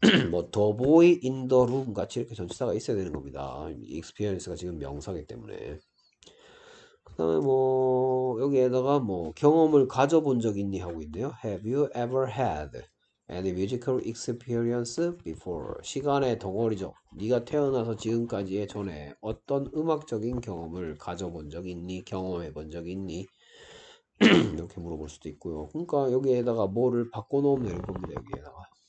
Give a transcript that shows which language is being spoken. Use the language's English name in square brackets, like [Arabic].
[Korean] 뭐 더보이 인더룸 같이 이렇게 전치사가 있어야 되는 겁니다. 익스피리언스가 지금 명사기 때문에. 그다음에 뭐 여기에다가 뭐 경험을 가져본 적 있니 하고 있네요. [English] Have you ever had any musical experience before? [Korean] 시간의 덩어리죠. 네가 태어나서 지금까지의 전에 어떤 음악적인 경험을 가져본 적 있니? 경험해 본적 있니? 이렇게 물어볼 수도 있고요. 그러니까 여기에다가 뭐를 바꿔놓으면 되는 겁니다. 여기에다가.